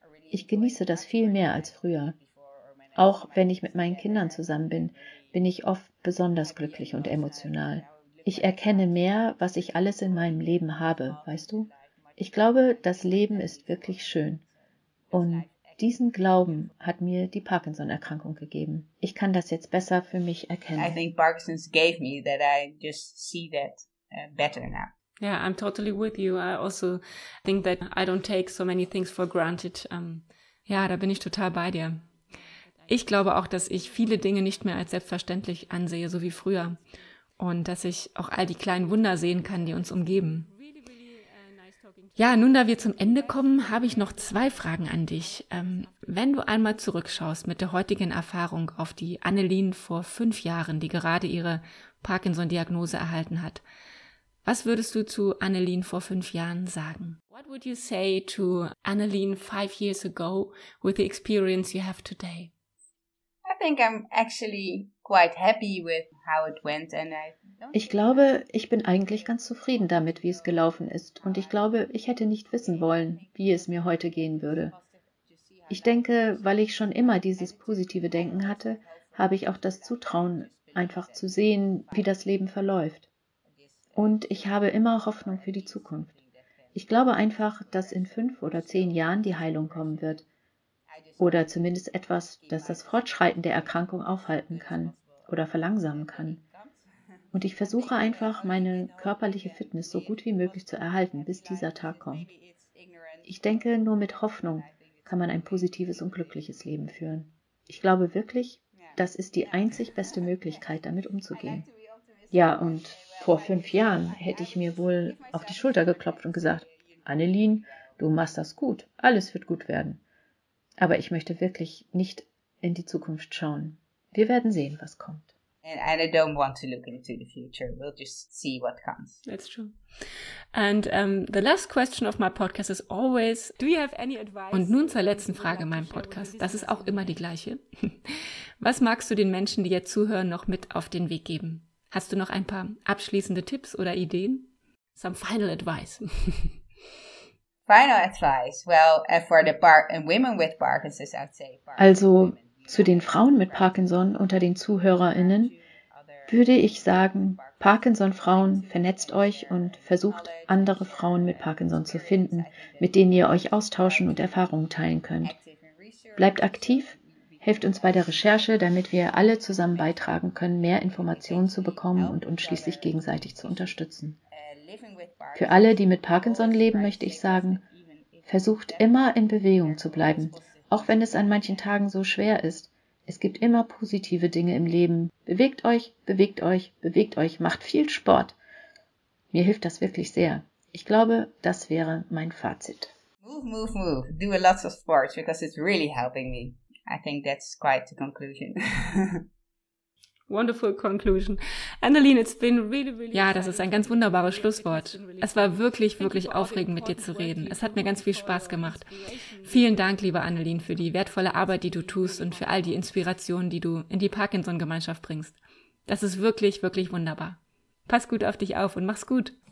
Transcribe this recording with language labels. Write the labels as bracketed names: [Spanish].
[German] Ich genieße das viel mehr als früher. Auch wenn ich mit meinen Kindern zusammen bin, bin ich oft besonders glücklich und emotional. Ich erkenne mehr, was ich alles in meinem Leben habe, weißt du? Ich glaube, das Leben ist wirklich schön. Und diesen Glauben hat mir die Parkinson-Erkrankung gegeben. Ich kann das jetzt besser für mich erkennen. [English] I think Parkinson's gave me that I just see that better now. Yeah, I'm totally with you. I also think that I don't take so many things for granted. [German] Ja, da bin ich total bei dir. Ich glaube auch, dass ich viele Dinge nicht mehr als selbstverständlich ansehe, so wie früher. Und dass ich auch all die kleinen Wunder sehen kann, die uns umgeben. Ja, nun, da wir zum Ende kommen, habe ich noch 2 Fragen an dich. Wenn du einmal zurückschaust mit der heutigen Erfahrung auf die Annelien vor 5 Jahren, die gerade ihre Parkinson-Diagnose erhalten hat, was würdest du zu Annelien vor 5 Jahren sagen? [English] What would you say to Annelien 5 years ago with the experience you have today? I think I'm actually quite happy with how it went and [German] Ich glaube, ich bin eigentlich ganz zufrieden damit, wie es gelaufen ist. Und ich glaube, ich hätte nicht wissen wollen, wie es mir heute gehen würde. Ich denke, weil ich schon immer dieses positive Denken hatte, habe ich auch das Zutrauen, einfach zu sehen, wie das Leben verläuft. Und ich habe immer Hoffnung für die Zukunft. Ich glaube einfach, dass in 5 oder 10 Jahren die Heilung kommen wird. Oder zumindest etwas, das das Fortschreiten der Erkrankung aufhalten kann oder verlangsamen kann. Und ich versuche einfach, meine körperliche Fitness so gut wie möglich zu erhalten, bis dieser Tag kommt. Ich denke, nur mit Hoffnung kann man ein positives und glückliches Leben führen. Ich glaube wirklich, das ist die einzig beste Möglichkeit, damit umzugehen. Ja, und vor 5 Jahren hätte ich mir wohl auf die Schulter geklopft und gesagt, Annelien, du machst das gut, alles wird gut werden. Aber ich möchte wirklich nicht in die Zukunft schauen. Wir werden sehen, was kommt. [English] And I don't want to look into the future. We'll just see what comes. That's true. And the last question of my podcast is always, do you have any advice? [German] Und nun zur letzten Frage in meinem Podcast. Das ist auch immer die gleiche. Was magst du den Menschen, die jetzt zuhören, noch mit auf den Weg geben? Hast du noch ein paar abschließende Tipps oder Ideen? [English] Some final advice. Final advice. Well, for the women with Parkinson's, I'd say [German] Also zu den Frauen mit Parkinson unter den ZuhörerInnen würde ich sagen, Parkinson-Frauen, vernetzt euch und versucht, andere Frauen mit Parkinson zu finden, mit denen ihr euch austauschen und Erfahrungen teilen könnt. Bleibt aktiv, helft uns bei der Recherche, damit wir alle zusammen beitragen können, mehr Informationen zu bekommen und uns schließlich gegenseitig zu unterstützen. Für alle, die mit Parkinson leben, möchte ich sagen, versucht immer in Bewegung zu bleiben. Auch wenn es an manchen Tagen so schwer ist, es gibt immer positive Dinge im Leben. Bewegt euch, bewegt euch, bewegt euch, macht viel Sport. Mir hilft das wirklich sehr. Ich glaube, das wäre mein Fazit. [English] Move, move, move. Do a lot of sports, because it's really helping me. I think that's quite the conclusion. Wonderful conclusion. Annalene, it's been really, really. [German] Ja, das ist ein ganz wunderbares Schlusswort. Es war wirklich, wirklich aufregend, mit dir zu reden. Es hat mir ganz viel Spaß gemacht. Vielen Dank, liebe Annalene, für die wertvolle Arbeit, die du tust und für all die Inspiration, die du in die Parkinson-Gemeinschaft bringst. Das ist wirklich, wirklich wunderbar. Pass gut auf dich auf und mach's gut.